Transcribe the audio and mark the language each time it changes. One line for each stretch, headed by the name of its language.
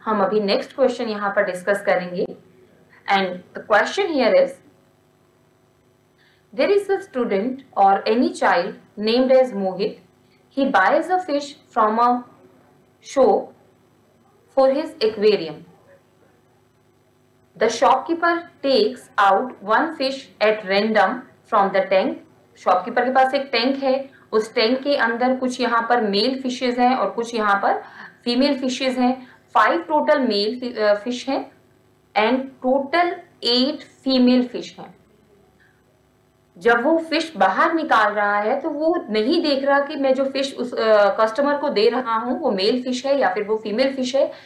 Hindi: हम अभी next question यहाँ पर डिस्कस करेंगे
English: And the question here is there is a student और any child named as Mohit, he buys a fish from a shop for his aquarium. The shopkeeper takes out one fish at random from the tank.
Hindi: Shopkeeper के पास एक tank है, उस tank के अंदर कुछ यहाँ पर मेल फिशेज हैं और कुछ यहाँ पर फीमेल फिशेज हैं। 5 टोटल मेल फिश हैं एंड टोटल 8 फीमेल फिश हैं। जब वो फिश बाहर निकाल रहा है तो वो नहीं देख रहा कि मैं जो फिश उस कस्टमर को दे रहा हूँ वो मेल फिश है या फिर वो फीमेल फिश है।